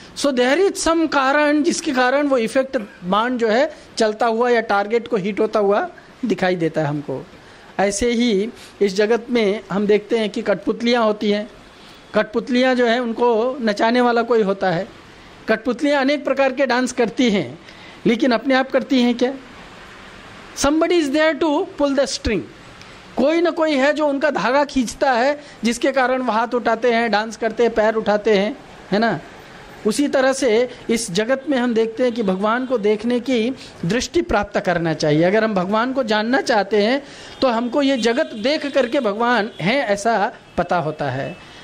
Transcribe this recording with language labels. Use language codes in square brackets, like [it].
[en] so there is some [hi] कारण जिसके कारण वो इफेक्ट बाण जो है चलता हुआ या टारगेट को हिट होता हुआ दिखाई देता है हमको। ऐसे ही इस जगत में हम देखते हैं कि कठपुतलियाँ होती हैं, कठपुतलियाँ जो हैं उनको नचाने वाला कोई होता है। कठपुतलियाँ अनेक प्रकार के डांस करती हैं, लेकिन अपने आप करती हैं क्या? [en] Somebody is there to pull the string. [hi] कोई ना कोई है जो उनका धागा खींचता है, जिसके कारण वह हाथ उठाते हैं, डांस करते हैं, पैर उठाते हैं, है ना। उसी तरह से इस जगत में हम देखते हैं कि भगवान को देखने की दृष्टि प्राप्त करना चाहिए। अगर हम भगवान को जानना चाहते हैं तो हमको ये जगत देख करके भगवान हैं ऐसा पता होता है।